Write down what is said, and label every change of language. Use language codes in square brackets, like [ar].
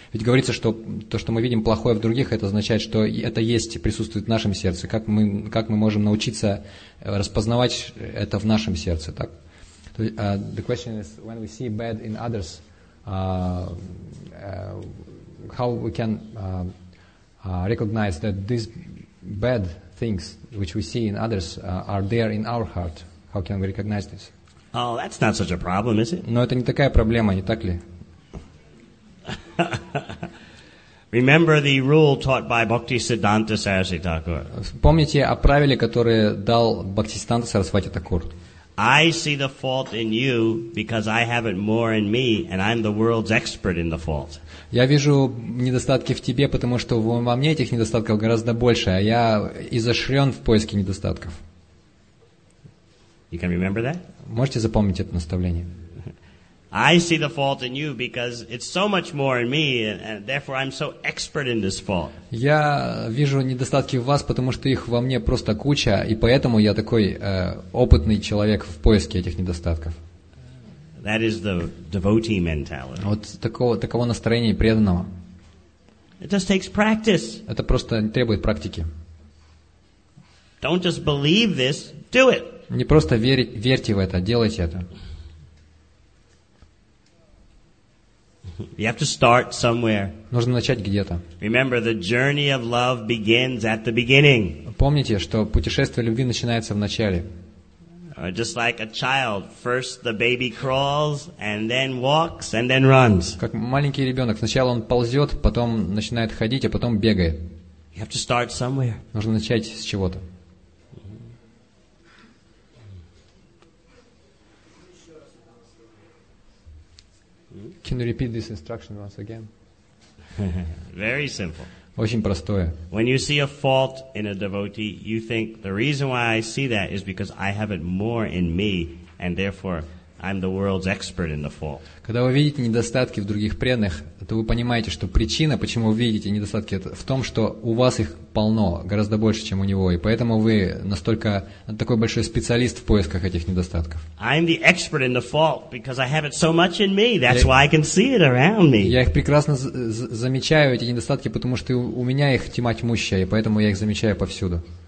[ru] Ведь говорится, что то, что мы видим плохое в других, это означает, что это есть, присутствует в нашем сердце. Как мы можем научиться распознавать это в нашем сердце? Так. [en] The question is, when we see bad in others, how we can recognize that these bad things which we see in others are there in our heart. How can we recognize this? Oh, that's not such a problem, is it? [ru] Но это не такая проблема, не так ли? [en] Remember the rule taught by Bhaktisiddhanta Saraswati Thakur. [ru] Помните о правиле, которое дал Бхактисиддханта Сарасвати Такур? [en] I see the fault in you because I have it more in me, and I'm the world's expert in the fault. [ru] Я вижу недостатки в тебе, потому что во мне этих недостатков гораздо больше, а я изощрен в поиске недостатков. [en] You can remember that? [ru] Можете запомнить это наставление? [en] I see the fault in you because it's so much more in me, and therefore I'm so expert in this fault. [ru] Я вижу недостатки в вас, потому что их во мне просто куча, и поэтому я такой опытный человек в поиске этих недостатков. [en] That is the devotee mentality. [ru] Вот такого настроения преданного. [en] It just takes practice. [ru] Это просто требует практики. [en] Don't just believe this, do it. [ru] Не просто верьте в это, делайте это. [en] You have to start somewhere. [ru] Нужно начать где-то. [en] Remember, the journey of love begins at the beginning. [ru] Помните, что путешествие любви начинается в начале. [en] Just like a child, first the baby crawls, and then walks, and then runs. [ru] Как маленький ребенок, сначала он ползет, потом начинает ходить, а потом бегает. [en] You have to start somewhere. [ru] Нужно начать с чего-то. [en] Can you repeat this instruction once again? Very simple. [ru] Очень простое. [en] When you see a fault in a devotee, you think the reason why I see that is because I have it more in me, and therefore I'm the world's expert in the fault. [ru] Когда вы видите недостатки в других преданных, то вы понимаете, что причина, почему вы видите недостатки, это в том, что у вас их полно, гораздо больше, чем у него, и поэтому вы настолько такой большой специалист в поисках этих недостатков. [en] I'm the expert in the fault because I have it so much in me. That's why I can see it around me. [ru] Я их прекрасно замечаю эти недостатки, потому что у меня их тьма тьмущая, и поэтому я их замечаю повсюду.